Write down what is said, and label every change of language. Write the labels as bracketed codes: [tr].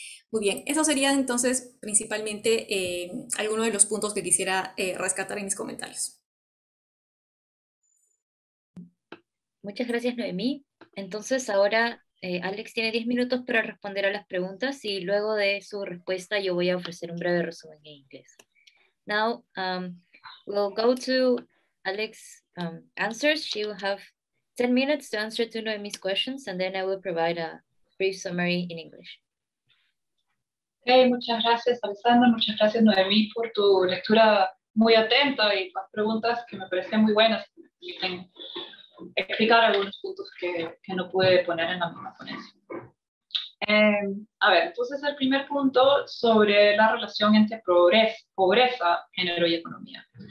[es] Muy bien, esos serían entonces principalmente algunos de los puntos que quisiera rescatar en mis comentarios. Muchas gracias, Noemí. Entonces, ahora Alex tiene 10 minutos para responder a las preguntas y luego de su respuesta yo voy a ofrecer un breve resumen en inglés. [en] Now, we'll go to Alex's answers. She will have 10 minutes to answer to Noemí's questions and then I will provide a brief summary in English. [es] Hey, muchas gracias, Alessandra. Muchas gracias, Noemí, por tu lectura muy atenta y las preguntas que me parecen muy buenas. Explicar algunos puntos que no pude poner en la misma ponencia. A ver, entonces el primer punto sobre la relación entre pobreza, género y economía.